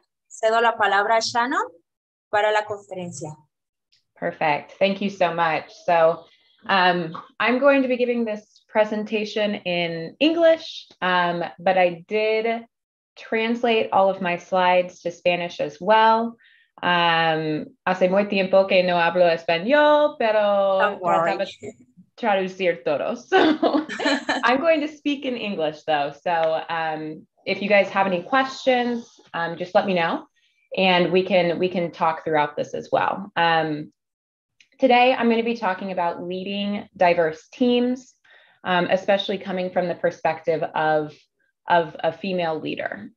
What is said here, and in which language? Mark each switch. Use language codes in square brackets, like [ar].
[es] Cedo la palabra a Shannon para la conferencia. [en] Perfect. Thank you so much. So I'm going to be giving this presentation in English, but I did translate all of my slides to Spanish as well. [es] Hace muy tiempo que no hablo español, pero trataba de traducir todo. [en] So I'm going to speak in English though. So if you guys have any questions, just let me know and we can talk throughout this as well. Today I'm going to be talking about leading diverse teams, especially coming from the perspective of a female leader.